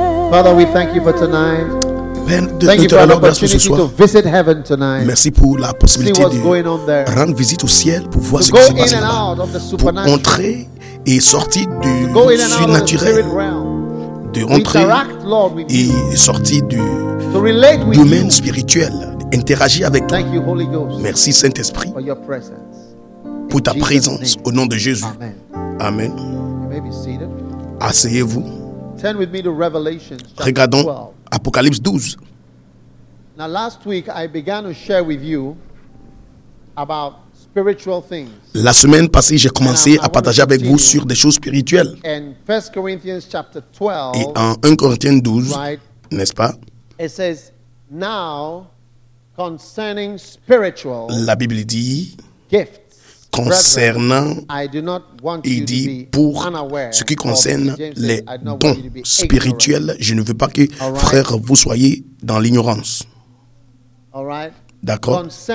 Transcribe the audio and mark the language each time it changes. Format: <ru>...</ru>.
<en>Father, we thank you for tonight. Thank you for the opportunity to visit heaven tonight.</en> <fr>Merci pour la possibilité de rendre visite au ciel pour voir ce qui se passe là-bas. Pour entrer et sortir du surnaturel, de rentrer et sortir du domaine spirituel, interagir avec toi. Merci Saint-Esprit pour ta présence au nom de Jésus. Amen. Asseyez-vous.</fr> <en>Turn with me to Revelation.</en> <fr>Regardons Apocalypse 12.</fr> <en>Now, last week I began to share with you about spiritual things.</en> <fr>La semaine passée, j'ai commencé à partager avec vous sur des choses spirituelles.</fr> <en>And 1 Corinthians chapter 12.</en> <fr>Et en 1 Corinthiens 12, n'est-ce pas?</fr> <en>It says, "Now concerning spiritual."</en> <fr>La Bible dit.</fr> <en>Gifts.</en> <fr>Concernant, il dit, pour ce qui concerne les dons spirituels, je ne veux pas que, frère, vous soyez dans l'ignorance. D'accord?</fr>